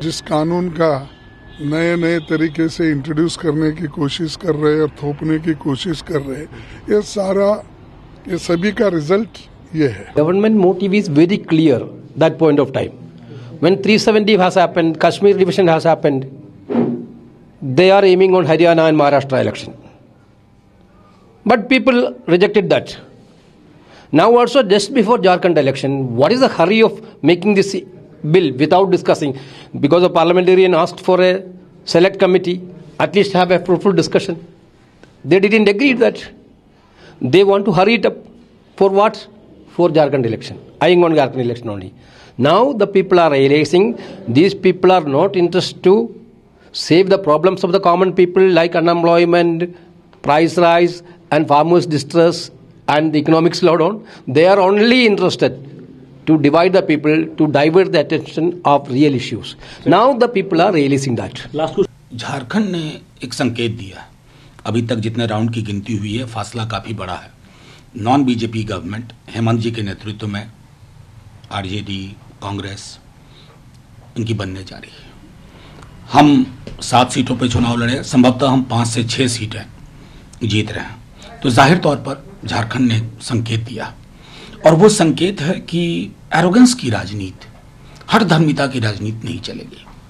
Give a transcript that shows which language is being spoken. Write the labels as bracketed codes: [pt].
[hi] जिस कानून का नए नए तरीके से इंट्रोड्यूस करने की कोशिश कर रहे हैं, थोपने की कोशिश कर रहे हैं, ये सारा ये सभी का रिजल्ट ये है। [en] Government motive is very clear that point of time when 370 has happened, Kashmir revision has happened, they are aiming on Haryana and Maharashtra election, but people rejected that. Now also, just before Jharkhand election, what is the hurry of making this bill without discussing? Because the parliamentarian asked for a select committee, at least have a fruitful discussion. They didn't agree that. They want to hurry it up. For what? For Jharkhand election. Eyeing on Jharkhand election only. Now the people are realizing these people are not interested to save the problems of the common people like unemployment, price rise and farmers' distress, and the economic slowdown. They are only interested to divide the people, to divert the attention of real issues. Now the people are realizing that. Last question. [hi] Jharkhand ने एक संकेत दिया, अभी तक जितने round की गिनती हुई है फासला काफी बड़ा है, नॉन बीजेपी गवर्नमेंट हेमंत जी के नेतृत्व में आरजेडी कांग्रेस इनकी बनने जा रही है। हम 7 सीटों पर चुनाव लड़े, संभवतः हम 5 से 6 सीटें जीत रहे हैं, तो जाहिर तौर पर झारखंड ने संकेत दिया और वो संकेत है कि एरोगेंस की राजनीति, हर धर्मिता की राजनीति नहीं चलेगी।